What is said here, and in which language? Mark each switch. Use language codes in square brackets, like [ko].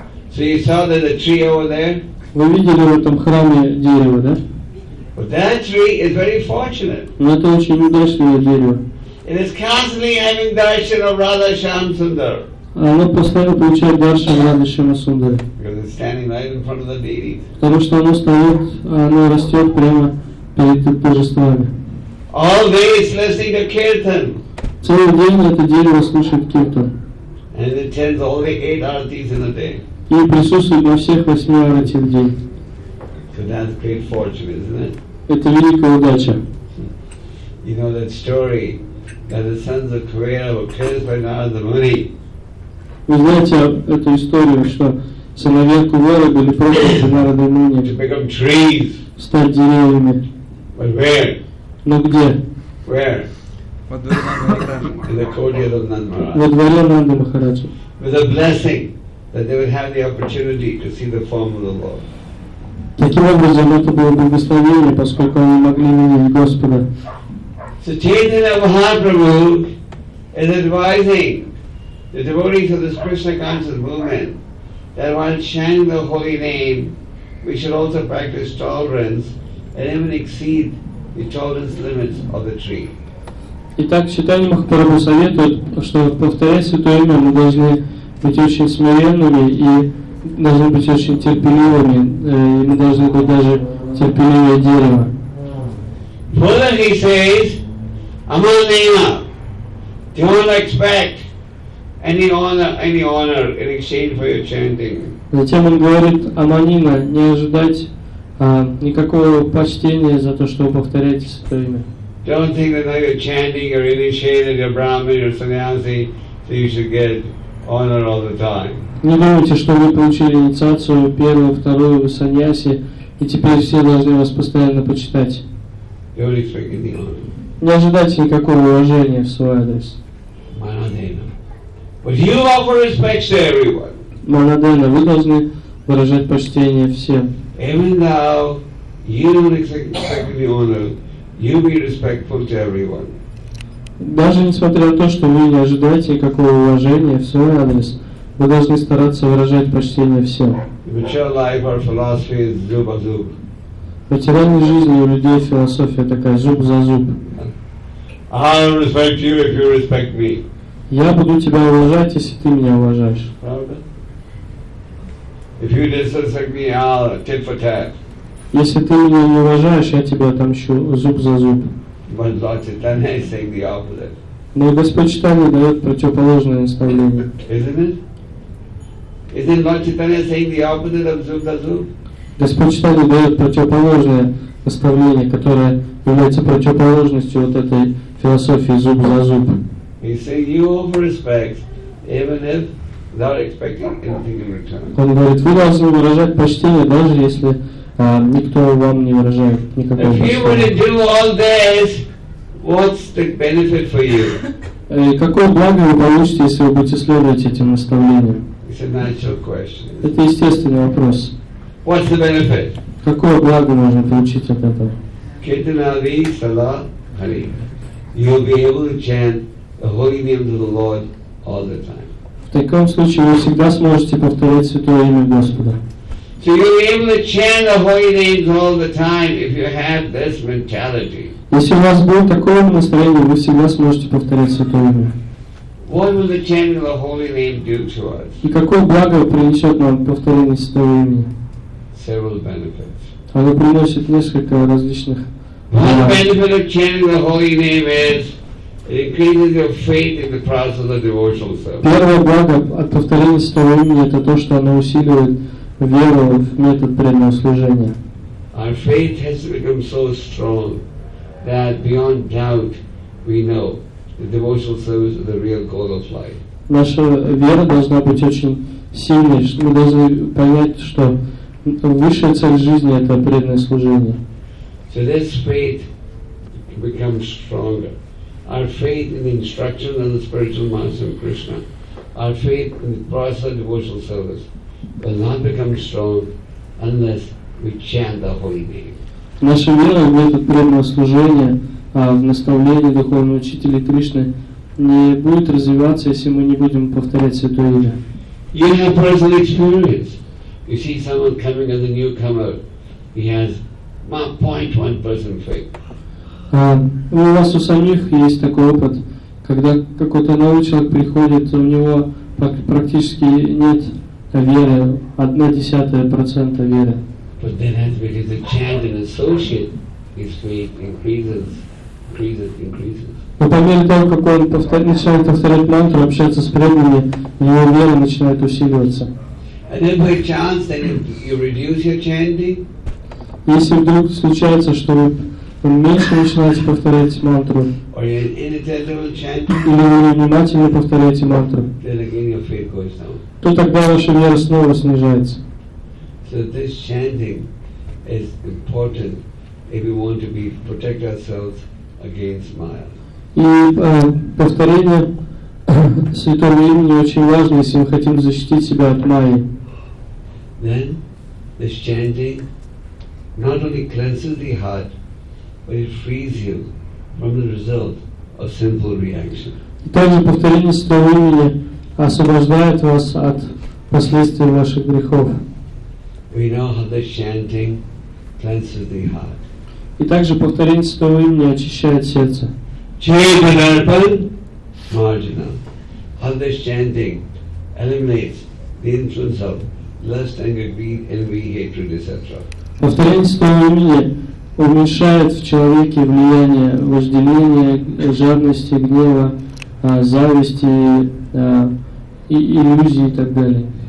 [en] So you saw that the tree over there? [ru] Вы видели в этом храме дерево, да? [en] But that tree is very fortunate. [ru] Но это очень удачное дерево. [en] It is constantly having darshan of Radha Shyam Sundar. [ru] Оно постоянно получает даршан Радха Шьяма Сундара. [en] Because it's standing right in front of the deities. [ru] Потому что оно стоит, оно растет прямо перед божествами. [en] All day it's listening to kirtan. [ru] Целый день это дерево слушает киртан. [en] And it attends all the eight artis in a day. [ru] И присутствует на всех восьми арати в день. [en] So that's great fortune, isn't it? [ru] Это великая удача. [en] You know that story that the sons of Kuvera were cursed by Narada Muni. [ru] Вы знаете эту историю, что сыновья Кувера были прокляты Нарада Муни. [en] To become trees. [ru] Стать деревьями. [en] But where? [ru] Но где? [en] Where? In the courtyard of [ru] Nanda Maharaja. Во дворе Нанды Махараджа. [en] With a blessing. That they would have the opportunity to see the form of the Lord. [ru] Таким образом, это было благословение, поскольку они могли видеть Господа. [en] So Chaitanya Mahaprabhu is advising the devotees of this Krishna conscious movement that while chanting the holy name, we should also practice tolerance and even exceed the tolerance limits of the tree. [ru] Итак, Чайтанья Махапрабху советует, что повторять святое имя мы должны быть очень смиренными и должны быть очень терпеливыми, и мы должны быть даже терпеливее дерева. [en] Further he says, Amalena, don't expect any honor in exchange for your chanting. [ru] Затем он говорит, Аманина, не ожидать никакого почтения за то, что вы повторяете святое имя. [en] Don't think that now you're chanting, you're initiated, you're Brahmin, you're sannyasi, so you should get honor all the time. [ru] Не думайте, что вы получили инициацию первую, вторую, вы саньяси, и теперь все должны вас постоянно почитать. [en] Don't expect any honor. [ru] Не ожидайте никакого уважения в свой адрес. [en] Манадена. But you offer respect to everyone. [ru] Манадена, вы должны выражать почтение всем. [en] Even though you don't expect any honor, you be respectful to everyone. [ru] Даже несмотря на то, что вы не ожидаете никакого уважения в свой адрес, вы должны стараться выражать почтение всем. В течение жизни у людей философия такая зуб за зуб. [en] I'll respect you if you respect me. [ru] Я буду тебя уважать, если ты меня уважаешь. [en] If you disrespect me, I'll tit for tat. [ru] Если ты меня не уважаешь, я тебя отомщу зуб за зуб. [en] But Lord Chaitanya is saying the opposite. [ru] Но Господь Читание дает противоположное наставление. [en] Isn't Lord Chaitanya saying the opposite of [ru] zub za zub? Господь Читание дает противоположное наставление, которое является противоположностью вот этой философии зуб за зуб. [en] He says you offer respect, even if without expecting anything in return. [ru] Он говорит, вы должны выражать почтение, даже если никто вам не выражает никакого почтения. [en] If you were to do all this, what's the benefit for you? [ru] Какое благо вы получите, если вы будете следовать этим наставлениям? [en] It's a natural question. [ru] Это естественный вопрос. [en] What's the benefit? [ru] Какое благо можно получить от этого? [sa] Kirtan Ali Salah Hari. [en] You'll be able to chant the holy name of the Lord all the time. [ru] В таком случае вы всегда сможете повторять святое имя Господа. [en] So you'll be able to chant the holy names all the time if you have this mentality. [ru] Если у вас будет такое настроение, вы всегда сможете повторять святое имя. [en] What will the chanting of the holy name do to us? [ru] И какое благо принесет нам повторение святого имени? [en] Several benefits. [ru] Оно приносит несколько различных. [en] One benefit of chanting the holy name is it increases your faith in the process of the devotional service. [ru] Первое благо от повторения святого имени это то, что оно усиливает веру в метод преданного служения. [en] Our faith has become so strong that beyond doubt we know the devotional service is the real goal of life. [ru] Наша вера должна быть очень сильной. Мы должны понять, что высшая цель жизни — это преданное служение. [en] So this faith becomes stronger. Our faith in the instruction of the spiritual master and Krishna, our faith in the process of devotional service, will not become strong unless we chant the holy name. [ru] Наша вера в метод преданного служения, в наставление духовного учителя Кришны, не будет развиваться, если мы не будем повторять святое имя. [en] You have personal experience. You see someone coming as a newcomer, he has 0.1% faith. [ru] У вас у самих есть такой опыт, когда какой-то новый человек приходит, у него практически нет веры, 0.1% веры. [en] But then as we get to chant and associate, his faith increases, increases, increases. [ru] Но по мере того, как он начинает повторять мантру, общаться с преданными, его вера начинает усиливаться. [en] And then by chance, then you reduce your chanting. [ru] Если вдруг случается, что вы меньше начинаете повторять мантру, [en] or you inattentive chanting, [ru] или вы невнимательно повторяете мантру, [en] then again your faith goes down. [ru] То тогда ваша вера снова снижается. [en] So this chanting is important if we want to be, protect ourselves against maya. [ru] И повторение святого имени очень важно, если мы хотим защитить себя от майи. [en] Then this chanting not only cleanses the heart, but it frees you from the result of simple reaction. [ru] Также повторение святого имени освобождает вас от последствий ваших грехов. [en] We know how the chanting cleanses the heart. [ru] И также повторение святого имени очищает сердце. [sa] Chetanarpan marginal. [en] How this chanting eliminates the influence of lust, anger, greed, envy, hatred, etc. [ru] Повторение святого имени уменьшает в человеке влияние вожделения, жадности, гнева, зависти, иллюзии и так далее.